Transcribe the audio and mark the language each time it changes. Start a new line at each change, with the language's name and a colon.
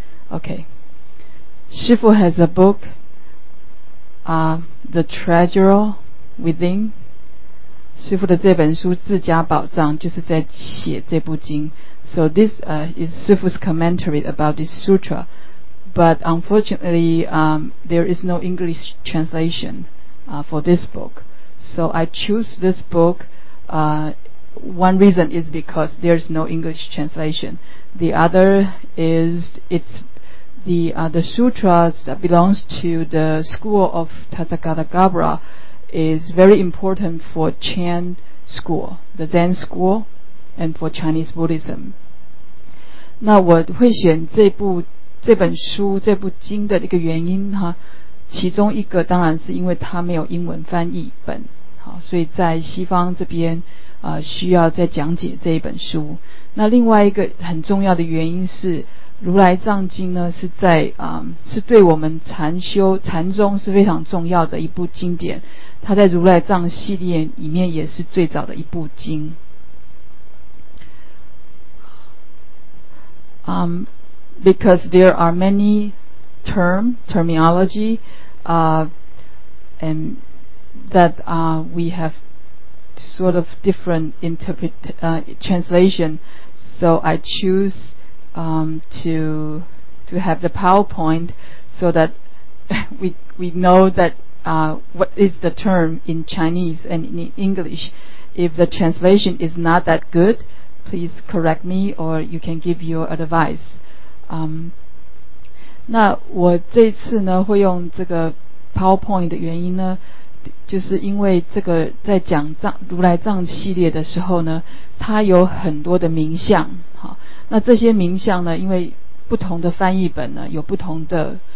English: OK， 师父 has a book, The Treasure Within.
Chinese: 师父的这本书《自家宝藏》就是在写这部经。
English: So this is 师父's commentary about this sutra, but unfortunately, there is no English translation. For this book. So I choose this book. One reason is because there is no English translation. The other is it's the sutras that belongs to the school of Tathagata Gabbara is very important for Chan school, the Zen school, and for Chinese Buddhism.
Chinese: 那我会选这本经的一个原因哈，其中一个当然是因为它没有英文翻译本，好，所以在西方这边需要再讲解这一本书。那另外一个很重要的原因是如来藏经呢是在是对我们禅修禅宗是非常重要的一部经典，它在如来藏系列里面也是最早的一部经。
English: Because there are manyterminology and that we have sort of different translation, so I choose to have the PowerPoint so that we know that what is the term in Chinese and in English. If the translation is not that good, please correct me or you can give your advice.
Chinese: 那我这次呢会用这个 PowerPoint 的原因呢，就是因为这个在讲如来藏系列的时候呢，它有很多的名相，好，那这些名相呢，因为不同的翻译本呢有不同的